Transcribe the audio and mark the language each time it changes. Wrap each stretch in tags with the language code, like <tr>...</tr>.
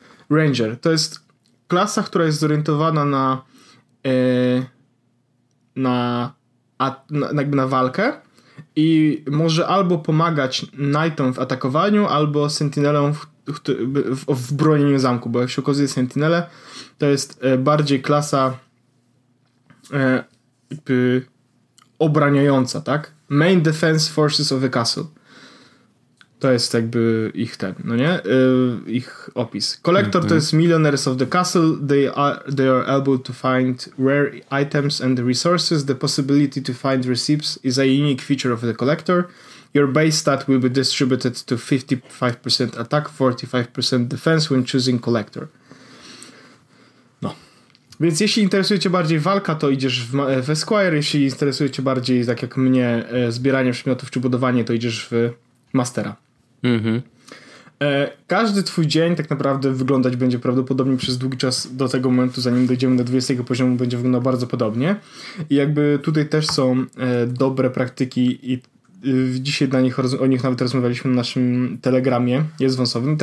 <pl>Ranger, to jest klasa, która jest zorientowana na walkę. I może albo pomagać Knightom w atakowaniu, albo Sentinelom w bronieniu zamku, bo jak się okazuje, Sentinele to jest bardziej klasa jakby obraniająca, tak?</pl> <en>Main Defense Forces of the Castle.</en> <pl>To jest jakby ich ten, no nie? Ich opis. Collector to jest</pl> <en>Millionaires of the Castle. They are able to find rare items and resources. The possibility to find receipts is a unique feature of the Collector. Your base stat will be distributed to 55% attack, 45% defense when choosing Collector.</en> <pl>No. Więc jeśli interesuje cię bardziej walka, to idziesz w Esquire. Jeśli interesuje cię bardziej, tak jak mnie, zbieranie przedmiotów czy budowanie, to idziesz w Mastera. Każdy twój dzień tak naprawdę wyglądać będzie prawdopodobnie przez długi czas do tego momentu, zanim dojdziemy do 20 poziomu, będzie wyglądał bardzo podobnie i jakby tutaj też są dobre praktyki i dzisiaj na nich o nich nawet rozmawialiśmy na naszym telegramie, jest wąsowym.</pl>